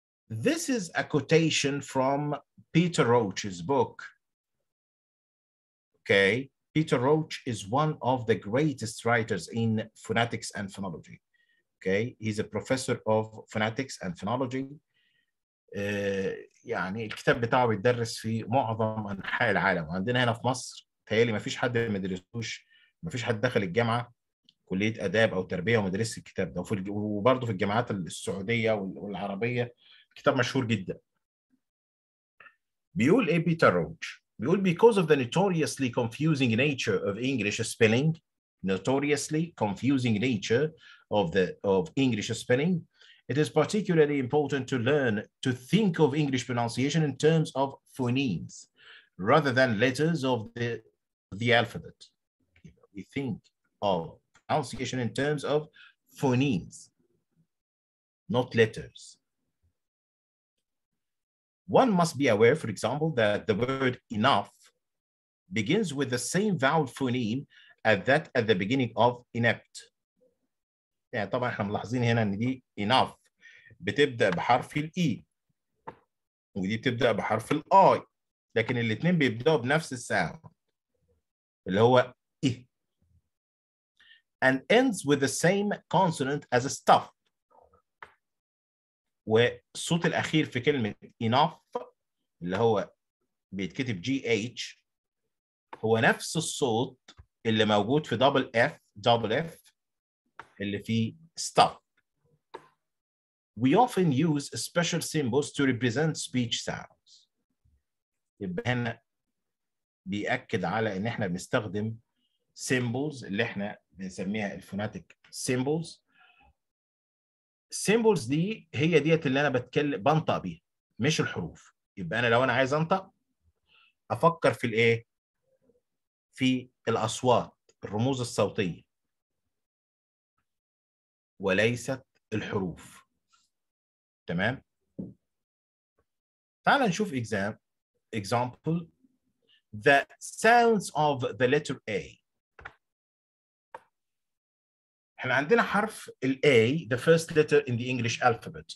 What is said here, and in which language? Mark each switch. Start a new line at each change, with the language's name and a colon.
English: This is a quotation from Peter Roach's book. Okay, Peter Roach is one of the greatest writers in phonetics and phonology. Okay, he's a professor of phonetics and phonology.
Arabic: يعني الكتاب بتاعه بيدرس في معظم أنحاء العالم. عندنا هنا في مصر تهيالي ما فيش حد مدرسوش، ما فيش حد دخل الجامعة كلية أداب أو تربية ومدرس الكتاب ده. وبرضه في الجامعات السعودية والعربية الكتاب مشهور جدا. بيقول إيه بيتر روتش؟ بيقول
English: because of the notoriously confusing nature of English spelling, notoriously confusing nature of the of English spelling, it is particularly important to learn to think of English pronunciation in terms of phonemes rather than letters of the alphabet. We think of pronunciation in terms of phonemes, not letters. One must be aware, for example, that the word enough begins with the same vowel phoneme as that at the beginning of inept.
Arabic: يعني طبعا احنا ملاحظين هنا ان دي enough بتبدا بحرف الاي ودي بتبدا بحرف الاي لكن الاثنين بيبداوا بنفس الساوند اللي هو اي
English: and ends with the same consonant as stuff.
Arabic: والصوت الاخير في كلمه enough اللي هو بيتكتب جي اتش هو نفس الصوت اللي موجود في دبل اف دبل اف اللي في stuff.
English: We often use special symbols to represent speech sounds.
Arabic: يبقى هنا بيأكد على ان احنا بنستخدم symbols اللي احنا بنسميها الفوناتيك symbols. Symbols دي هي ديت اللي انا بتكلم بنطق بيها مش الحروف. يبقى انا لو انا عايز انطق افكر في الايه؟ في الاصوات الرموز الصوتيه وليست الحروف. تمام؟ تعال نشوف
English: example the sounds of the letter A.
Arabic: احنا عندنا حرف ال
English: A, the first letter in the English alphabet.